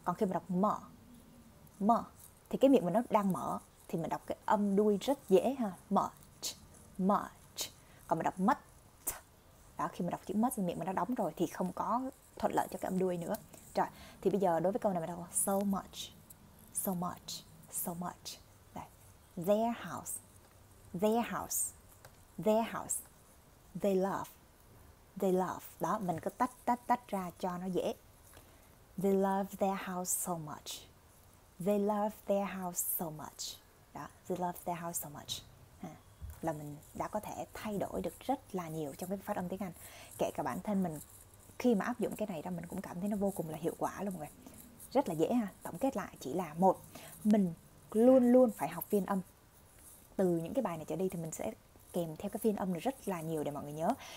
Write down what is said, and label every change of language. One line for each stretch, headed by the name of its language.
Vietnamese: Còn khi mình đọc mở, mở thì cái miệng mình nó đang mở thì mình đọc cái âm đuôi rất dễ ha, mở, mở. Còn mình đọc mất đó, khi mình đọc chữ mất thì miệng mình nó đóng rồi thì không có thuận lợi cho cái âm đuôi nữa. Rồi thì bây giờ đối với câu này mình đọc là
English: so much, so much, so much.
Vietnamese: Đây,
English: their house, their house, their house, they love, they love.
Vietnamese: Đó, mình cứ tách tách tách ra cho nó dễ.
English: They love their house so much. They love their house so much.
Vietnamese: Đó,
English: they love their house so much.
Vietnamese: À, là mình đã có thể thay đổi được rất là nhiều trong cái phát âm tiếng Anh. Kể cả bản thân mình khi mà áp dụng cái này ra mình cũng cảm thấy nó vô cùng là hiệu quả luôn rồi. Rất là dễ ha. Tổng kết lại chỉ là một, mình luôn luôn phải học phiên âm. Từ những cái bài này trở đi thì mình sẽ kèm theo cái phiên âm này rất là nhiều để mọi người nhớ.